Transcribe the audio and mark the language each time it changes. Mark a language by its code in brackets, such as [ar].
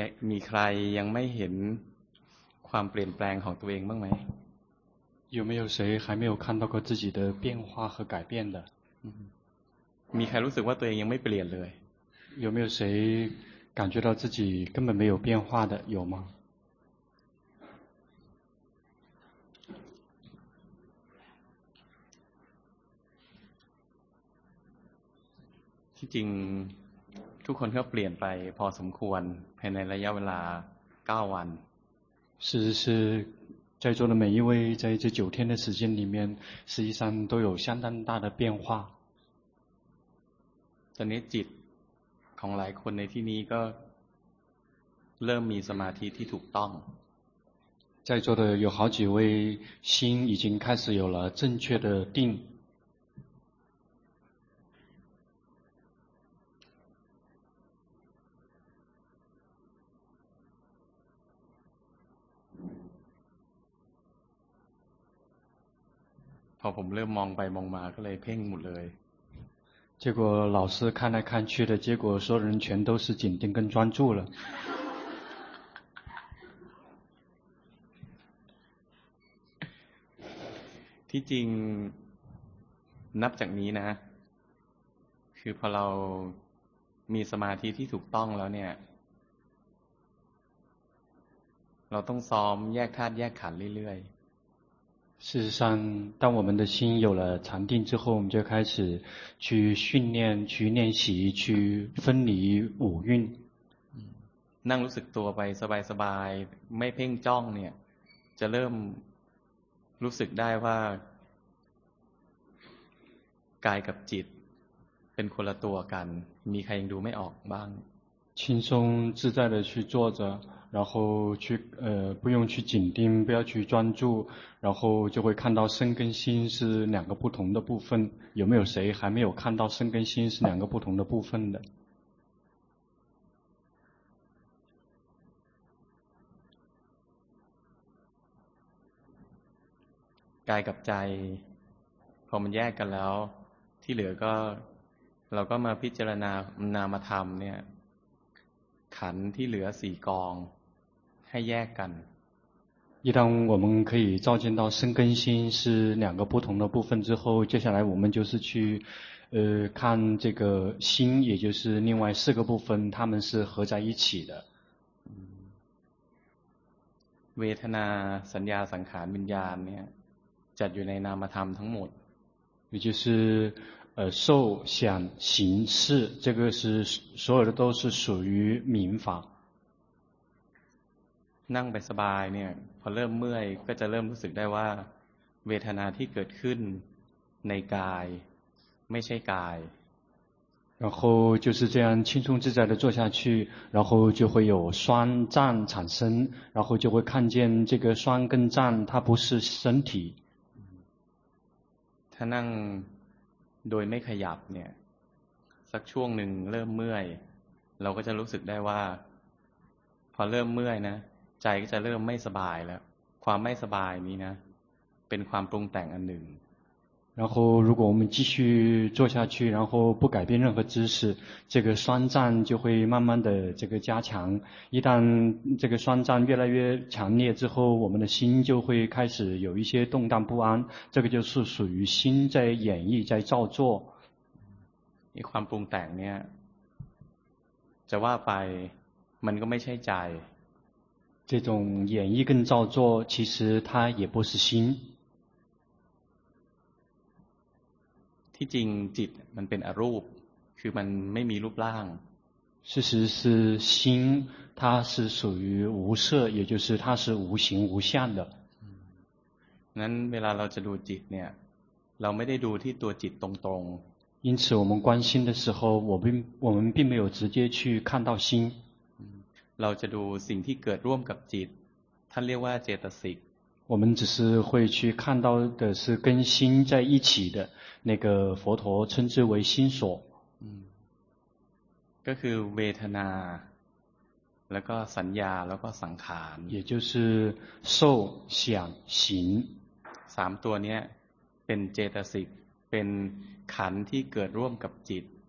[th] มีใครยังไม่เห็นความเปลี่ยนแปลงของตัวเองบ้างไหม [zh] 有没有谁还没有看到过自己的变化和改变的 [th] มีใครรู้สึกว่าตัวเองยังไม่เปลี่ยนเลย [zh] 有没有谁感觉到自己根本没有变化的有吗 [th] ที่จริงทุกคนก็เปลี่ยนไปพอสมควรภายในระยะเวลา9วัน [zh] 事实是在座的每一位在这九天的时间里面实际上都有相当大的变化 [th] ตอนนี้จิตของหลายคนในที่นี้ก็เริ่มมีสมาธิที่ถูกต้อง [zh] 在座的有好几位心已经开始有了正确的定 [th] พอผมเริ่มมองไปมองมาก็เลยเพ่งหมดเลย [zh] 结果老师看来看去的结果所有人全都是紧盯跟专注了 [th] ที่จริงนับจากนี้นะคือพอเรามีสมาธิที่ถูกต้องแล้วเนี่ยเราต้องซ้อมแยกธาตุแยกขันธ์เรื่อยๆ [zh] 事实上当我们的心有了禅定之后我们就开始去训练去练习去分离五蕴 [th] นั่งรู้สึกตัวไปสบายสบายไม่เพ่งจ้องเนี่ยจะเริ่มรู้สึกได้ว่ากายกับจิตเป็นคนละตัวกันมีใครยังดูไม่ออกบ้าง [zh] 轻松自在的去坐着然后去不用去紧盯不要去专注然后就会看到身跟心是两个不同的部分有没有谁还没有看到身跟心是两个不同的部分的 [th] กายกับใจพอมันแยกกันแล้วที่เหลือก็เราก็มาพิจารณานามธรรมเนี่ยขันธ์ที่เหลือสี่กองให้แยกกัน [zh] 一旦我们可以照见到身跟心是两个不同的部分之后接下来我们就是去看这个心也就是另外四个部分它们是合在一起的 [th] เวทนาสัญญาสังขารวิญญาณเนี่ยจัดอยู่ในนามธรรมทั้งหมด [zh] 也就是受想行识这个是所有的都是属于明法 [th] นั่งไปสบายเนี่ยพอเริ่มเมื่อยก็จะเริ่มรู้สึกได้ว่าเวทนาที่เกิดขึ้นในกายไม่ใช่กาย [zh] 然后就是这样轻松自在的坐下去然后就会有酸胀产生然后就会看见这个酸跟胀它不是身体 [th] ถ้านั่งโดยไม่ขยับเนี่ยสักช่วงหนึ่งเริ่มเมื่อยเราก็จะรู้สึกได้ว่าพอเริ่มเมื่อยนะใจก็จะเริ่มไม่สบายแล้วความไม่สบายนี้นะเป็นความปรุงแต่งอันหนึ่ง [zh] 然后如果我们继续做下去然后不改变任何姿势这个酸胀就会慢慢的这个加强一旦这个酸胀越来越强烈之后我们的心就会开始有一些动荡不安这个就是属于心在演绎在造作 [th] ความปรุงแต่งเนี่ยจะว่าไปมันก็ไม่ใช่ใจ [zh] 这种演绎跟造作其实它也不是心 [th] ที่จริงจิตมันเป็นอรูปคือมันไม่มีรูปร่าง [zh] 事实是心它是属于无色也就是它是无形无相的 [th] นั้นเวลาเราจะดูจิตเนี่ยเราไม่ได้ดูที่ตัวจิตตรง [zh] ๆ因此我们关心的时候我们并没有直接去看到心 [th] เราจะดูสิ่งที่เกิดร่วมกับจิตท่านเรียกว่าเจตสิก [zh] 我们只是会去看到的是跟心在一起的那个佛陀称之为心所 [th] ก็คือเวทนาแล้วก็สัญญาแล้วก็สังขาร [zh] 也就是受想行 [th] สามตัวเนี้ยเป็นเจตสิกเป็นขันธ์ที่เกิดร่วมกับจิต